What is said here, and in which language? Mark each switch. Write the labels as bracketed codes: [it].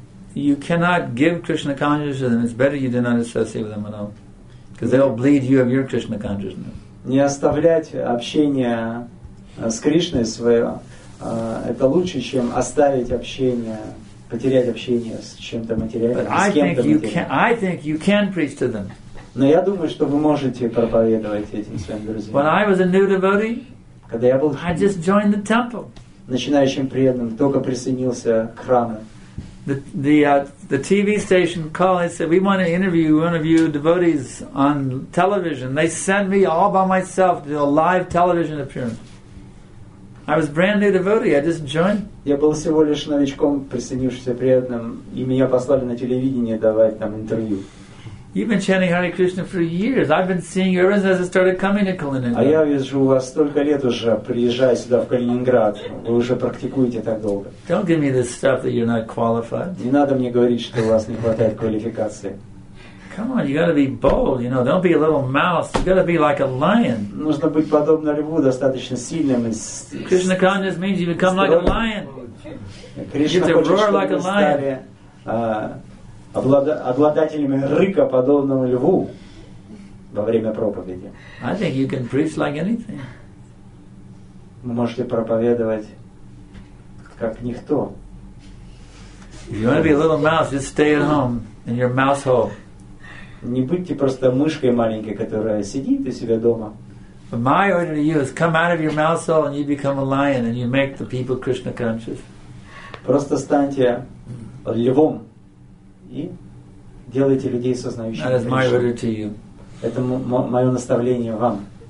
[en] If you cannot give Krishna consciousness to them, it's better you do not associate with them at all, because they'll bleed you of your Krishna consciousness. [ru] Не оставлять общение с Кришной свое это лучше, чем оставить общение, потерять общение с чем-то материальным. [en] But I think you can preach to them. [ru] Но я думаю, что вы можете проповедовать этим своим друзьям. [en] When I was a new devotee, [ru] когда я был [en] I just joined the temple. [ru] Начинающим преданным, только присоединился к храму. [en] The TV station called and said, we want to interview one of you devotees on television. They sent me all by myself to do a live television appearance. I was brand new devotee, I just joined. [ru] Я был всего лишь новичком, присоединившимся преданным, и меня послали на телевидение давать там интервью. [en] You've been chanting Hare Krishna for years. I've been seeing you ever since I started coming to Kaliningrad. [ru] А я вижу вас столько лет уже, приезжая сюда в Калининград. Вы уже практикуете так долго. [en] Don't give me this stuff that you're not qualified. [ru] Не надо мне говорить, что у вас не хватает квалификации. [en] Come on, you got to be bold. You know, don't be a little mouse. You got to be like a lion. [ru] Нужно быть подобно льву, достаточно сильным. [en] Krishna consciousness means you become like a lion. Krishna roar like a lion. [ru] Обладателями рыка, подобного льву во время проповеди. [en] I think you can preach like anything. [ru] Вы можете проповедовать как никто. [en] If you want to be a little mouse, just stay at home in your mouse hole. [ru] Не будьте просто мышкой маленькой, которая сидит у себя дома. [en] But my order to you is come out of your mouse hole and you become a lion and you make the people Krishna conscious. [ru] Просто станьте львом и делайте людей сознающими. [en] That is my order to you. [ru] Это мое наставление вам.